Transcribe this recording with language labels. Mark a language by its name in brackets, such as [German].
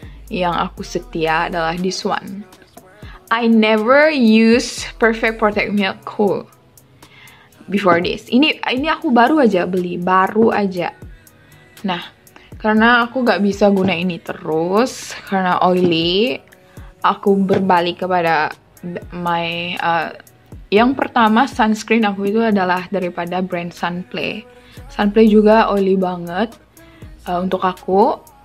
[Malay] Yang aku setia adalah [English] this one. I never use Perfect Protect Milk Cool before this. [Malay] Ini aku baru aja beli, baru aja. Nah, karena aku gak bisa guna ini terus karena oily, aku berbalik kepada my yang pertama sunscreen aku itu adalah daripada brand Sunplay. Sunplay juga oily banget untuk aku.